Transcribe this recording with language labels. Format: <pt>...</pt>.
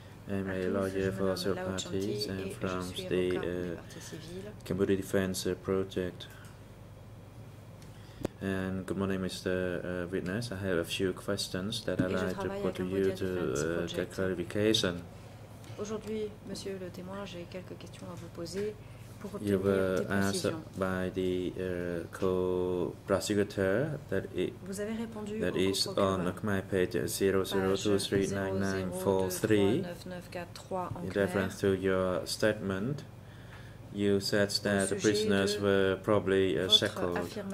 <en>I'm a lawyer for several parties and from the Cambodia Defense Project. And good morning, Mr. Witness. I have a few questions that I'd like to put to you to get clarification.</en> <fr>Aujourd'hui, Monsieur le témoin, j'ai quelques questions à vous poser pour obtenir des précisions.</fr> <en>You were asked by the co-prosecutor that it</en> <fr>vous avez répondu</fr> <en>that is on my page 0023943. In reference to your statement, you said that the prisoners were probably shackled.</en>